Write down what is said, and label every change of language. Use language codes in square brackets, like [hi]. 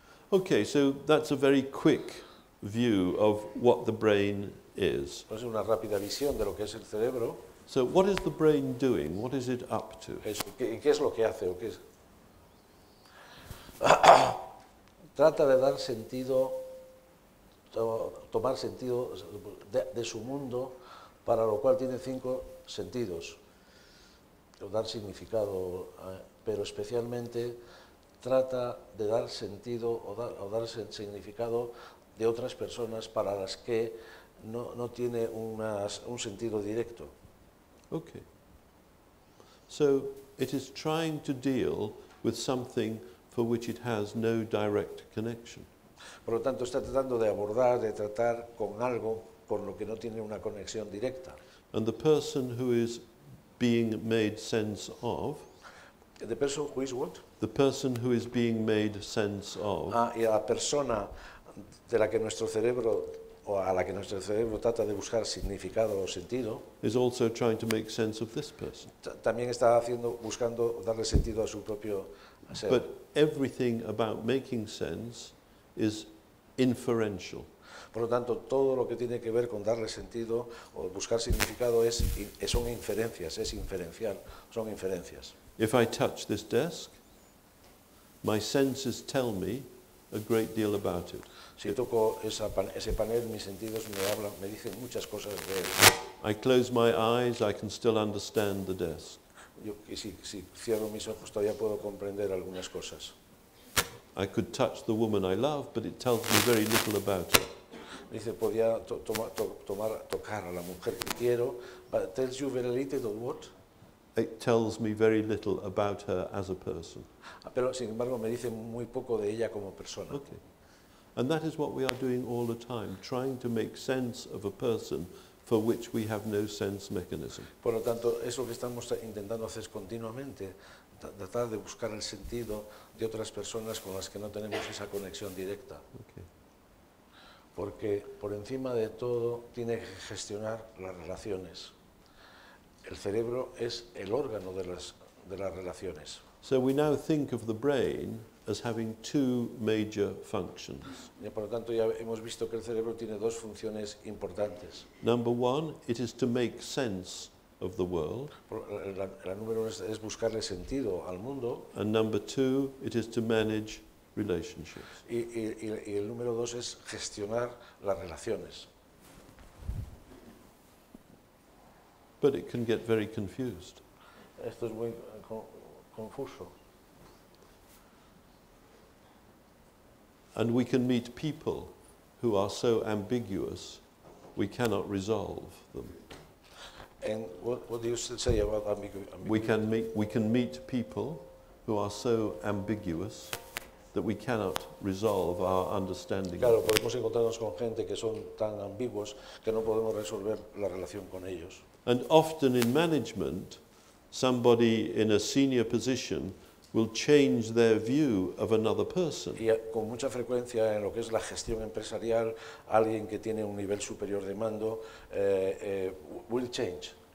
[en] Okay, so that's a very quick view of what the brain is. [es] Pues una rápida visión de lo que es el cerebro. [en] So what is the brain doing? What is it up to? [es] ¿Qué es lo que hace? ¿Qué es? Trata de dar sentido, tomar sentido de su mundo, para lo cual tiene cinco sentidos. Dar significado, pero especialmente trata de dar sentido o dar significado de otras personas para las que no tiene un sentido directo. Okay. [en] So it is trying to deal with something for which it has no direct connection. [es] Por lo tanto, está tratando de abordar, de tratar con algo con lo que no tiene una conexión directa. [en] And the person who is being made sense of. The person who is what? The person who is being made sense of. [es] Y a la persona de la que nuestro cerebro o a la que nuestro cerebro trata de buscar significado o sentido. [en] Is also trying to make sense of this person. [es] También está buscando darle sentido a su propio ser. [en] But everything about making sense is inferential. [es] Por lo tanto, todo lo que tiene que ver con darle sentido o buscar significado son inferencias. [en] If I touch this desk, my senses tell me a great deal about it. [es] Si toco ese panel, mis sentidos me dicen muchas cosas de él. [en] I close my eyes, I can still understand the desk. [es] Si cierro mis ojos, todavía puedo comprender algunas cosas. [en] I could touch the woman I love, but it tells me very little about her. [es] Dice, podía tocar a la mujer que quiero, [en] but it tells you very little of what? It tells me very little about her as a person. [es] Pero, sin embargo, me dice muy poco de ella como persona. Okay. [en] And that is what we are doing all the time, trying to make sense of a person for which we have no sense mechanism. [es] Por lo tanto, es lo que estamos intentando hacer continuamente, tratar de buscar el sentido de otras personas con las que no tenemos esa conexión directa. Okay. Porque por encima de todo tiene que gestionar las relaciones. El cerebro es el órgano de las relaciones. [en] So we now think of the brain as having two major functions. [es] Y por lo tanto ya hemos visto que el cerebro tiene dos funciones importantes. [en] Number one, it is to make sense of the world. [es] La número uno es buscarle sentido al mundo. [en] And number two, it is to manage relationships. [es] Y el número dos es gestionar las relaciones. [en] But it can get very confused. [es] Esto es muy confuso. [en] And we can meet people who are so ambiguous we cannot resolve them. And what do you say about ambiguity? We can meet people who are so ambiguous that we cannot resolve our understanding. [es] Claro, podemos encontrarnos con gente que son tan ambiguos que no podemos resolver la relación con ellos. [en] And often in management, somebody in a senior position will change their view of another person. [es] Y con mucha frecuencia en lo que es la gestión empresarial, alguien que tiene un nivel superior de mando [en] will change.